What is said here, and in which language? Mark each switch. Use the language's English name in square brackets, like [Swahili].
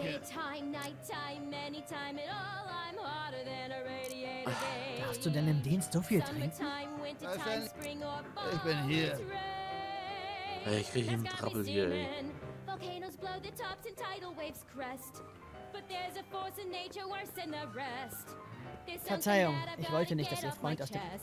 [English] Daytime, nighttime, anytime at all, I'm hotter than a radiator. [German] Darfst du denn im Dienst so viel trinken? Ich bin hier. Hey, ich krieg hier einen Trappel hier, ey. [English] Volcanoes blow the tops and tidal waves crest. But there's a force in nature worse than the rest. [German] Verzeihung, ich wollte nicht, dass ihr Freund aus dem...